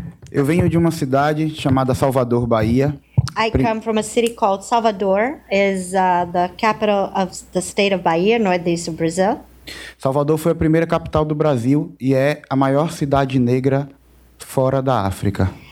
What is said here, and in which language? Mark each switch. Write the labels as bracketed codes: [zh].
[pt] Eu venho de uma cidade chamada Salvador, Bahia. [en] I come from a city called Salvador, is the capital of the state of Bahia, northeast of Brazil. [pt] Salvador foi a primeira capital do Brasil e é a maior cidade negra fora da África.